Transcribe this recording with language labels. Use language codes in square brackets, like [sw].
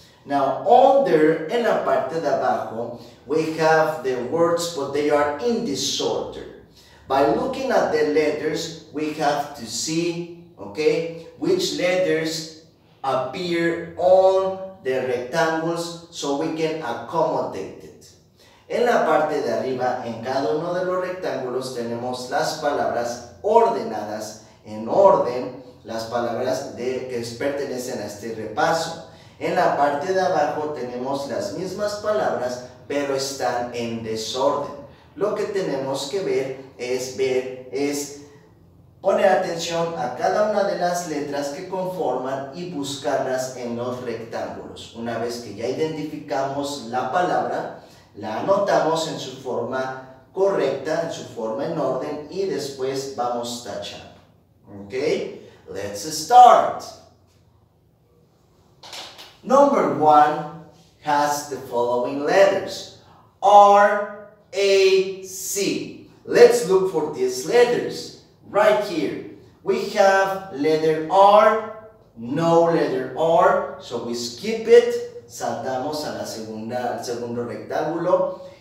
[en] Now, under, en la parte de abajo, we have the words, but they are in disorder. By looking at the letters, we have to see, okay, which letters appear on the rectangles so we can accommodate it. [es] En la parte de arriba, en cada uno de los rectángulos, tenemos las palabras ordenadas en orden, las palabras de, que pertenecen a este repaso. En la parte de abajo tenemos las mismas palabras, pero están en desorden. Lo que tenemos que ver es poner atención a cada una de las letras que conforman y buscarlas en los rectángulos. Una vez que ya identificamos la palabra, la anotamos en su forma correcta, en su forma en orden, y después vamos tachando. [en] Ok, let's start. Number one has the following letters, R, A, C. Let's look for these letters. Right here, we have letter R, no letter R, so we skip it, [es] saltamos a la segunda, al segundo rectángulo.